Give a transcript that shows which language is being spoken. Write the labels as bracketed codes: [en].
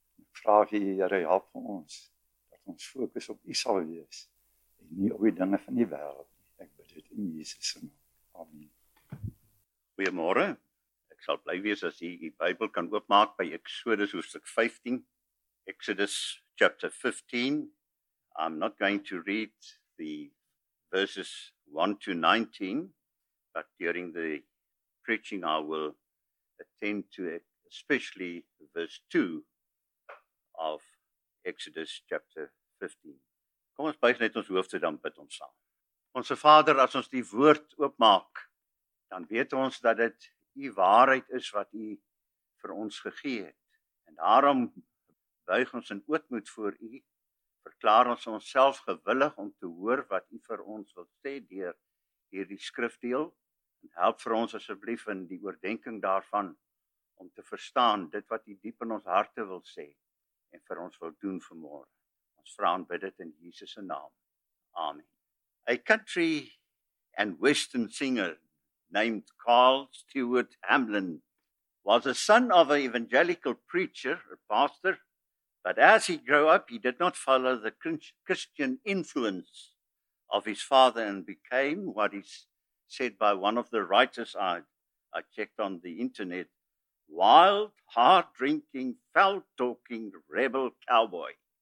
[af] Ek vra vir u, Here, help vir ons dat ons fokus op u sal wees, nie op die dinge van die wêreld. Ek bid dit in Jesus se naam. Amen. Goeiemôre. Ek sal bly wees as jy die Bybel kan oopmaak by Exodus hoofstuk 15. [en] Exodus chapter 15. I'm not going to read the verses 1 to 19, but during the preaching I will attend to it, especially verse 2 of Exodus chapter 15. [af] Kom ons buig net ons hoofde, dan bid ons saam. Onse Vader, as ons die woord oopmaak, dan weet ons dat dit u waarheid is wat u vir ons gegee het. En daarom buig ons in ootmoed voor u, verklaar ons onsself gewillig om te hoor wat u vir ons wil sê deur hierdie skrifdeel. En help vir ons asseblief in die oordenking daarvan om te verstaan dit wat u diep in ons harte wil sê en vir ons wil doen vanmôre. Ons vra en bid dit in Jesus se naam. Amen. [en] A country and western singer named Carl Stewart Hamlin was a son of an evangelical preacher, a pastor, but as he grew up, he did not follow the Christian influence of his father and became what is said by one of the writers I checked on the internet, wild, hard-drinking, foul-talking rebel cowboy.